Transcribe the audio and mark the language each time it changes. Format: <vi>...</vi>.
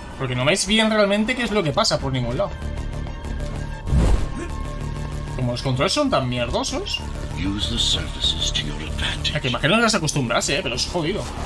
<es>Porque no veis bien realmente qué es lo que pasa por ningún lado. Como los controles son tan mierdosos.</es> <en>Use the surfaces to your advantage.</en> <es>A que imagino que las acostumbrase, ¿eh? Pero es jodido.</es>